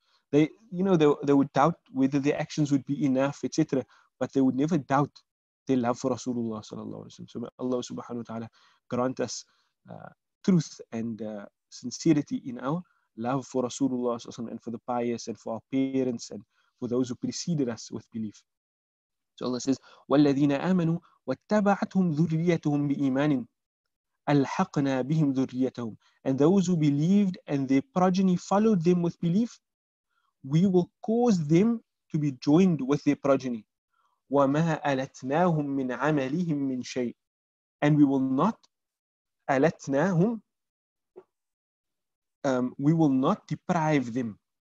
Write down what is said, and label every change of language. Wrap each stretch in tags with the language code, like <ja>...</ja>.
<en>They, you know, they would doubt whether their actions would be enough, etc. But they would never doubt their love for Rasulullah sallallahu alaihi wasallam. So may Allah subhanahu wa ta'ala grant us truth and sincerity in our love for Rasulullah and for the pious and for our parents and for those who preceded us with belief. So Allah says,</en> <ar>وَالَّذِينَ آمَنُوا وَاتَّبَعَتْهُمْ ذُرِّيَّتُهُمْ بِإِيمَانٍ أَلْحَقْنَا بِهِمْ ذُرِّيَّتَهُمْ.</ar> <en>And those who believed and their progeny followed them with belief, we will cause them to be joined with their progeny.</en> <ar>وَمَا أَلَتْنَاهُمْ مِنْ عَمَلِهِمْ مِنْ شَيْءٍ.</ar> <en>And we will not أَلَتْنَاهُمْ, we will not deprive them.</en>